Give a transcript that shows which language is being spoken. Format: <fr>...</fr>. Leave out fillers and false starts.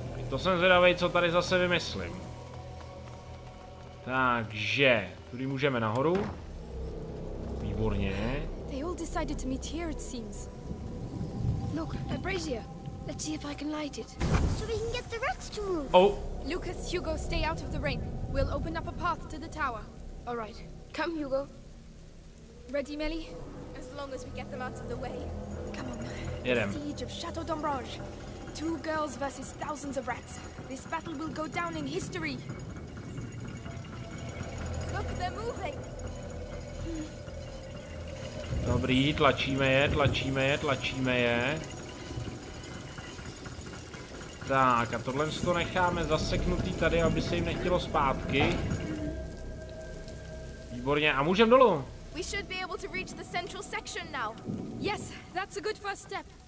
<cs>To jsem zvědavej, co tady zase vymyslím. Takže, tudy můžeme nahoru. Výborně.</cs> <en>They all decided to meet here, it seems. Look, a brazier. Let's see if I can light it. So we can get the rats to move. Oh. Lucas, Hugo, stay out of the rain. We'll open up a path to the tower. All right. Come, Hugo. Ready, Melly? As long as we get them out of the way. Come on.</en> <cs>Jedem.</cs> <en>The siege of Chateau d'Ombrage. Two girls versus thousands of rats. This battle will go down in history. Look, they're moving.</en> <cs>Dobrý, tlačíme je, tlačíme je, tlačíme je. Tak, a tohle si to necháme zaseknutý tady, aby se jim nechtělo zpátky. Výborně, a můžem dolů.</cs> <en>We should be able to reach the central section now. Yes, that's a good first step.</en>